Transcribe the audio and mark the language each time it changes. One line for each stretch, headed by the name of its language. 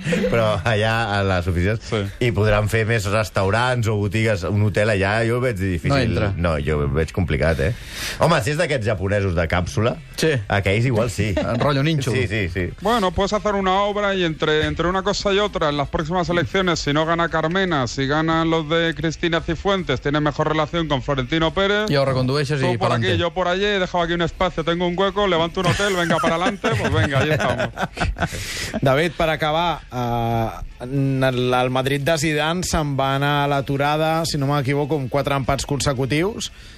Catalan: Però allà, a les oficines, i podran fer més restaurants o botigues, un hotel allà, jo ho veig difícil. No entra. No, jo ho veig complicat, eh? Home, si és d'aquests japonesos de càpsula, aquells igual sí. En rotllo ninxo. Sí.
Spanish: Bueno, puedes hacer una obra y entre una cosa y otra, en las próximas elecciones, si no gana Carmena, si ganan los de Cristina Cifuentes, tiene mejor relación con Florentino Pérez. Y ahora recondueixes y para aquí, yo por allí, he dejado aquí un espacio, tengo un hueco, levanto un hotel, venga para adelante, pues venga, ahí estamos.
Catalan: David, per acabar, el Madrid de Zidane se'n va anar a l'aturada, si no m'equivoco, amb 4 empats consecutius.